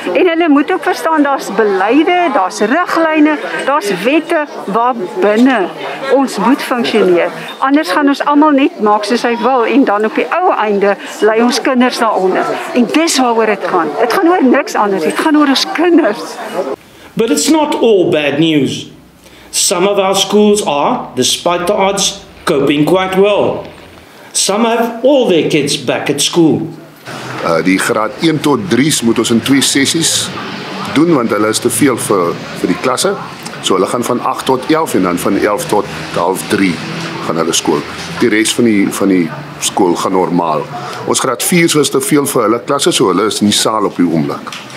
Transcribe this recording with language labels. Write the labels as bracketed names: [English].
[Afrikaans] En hulle moet ook verstaan daar's beleide, daar's riglyne, daar's wette waar binne ons moet funksioneer. Anders gaan ons almal net maak soos hy wil en dan op die ou einde lei ons kinders daaronder. En dis waaroor dit gaan. Dit gaan oor niks anders. Dit gaan oor [English] But it's not all bad news. Some of our schools are, despite the odds, coping quite well. Some have all their kids back at school. [Afrikaans] Die graad 1 tot 3's moet ons in 2 sessies doen, want hulle is te veel vir die klasse. So hulle gaan van 8 tot 11 en dan van 11 tot 2:30 gaan hulle skool. Die rest van die skool gaan normaal. Ons graad 4's was te veel vir hulle klasse, so hulle is in die saal op die oomblik.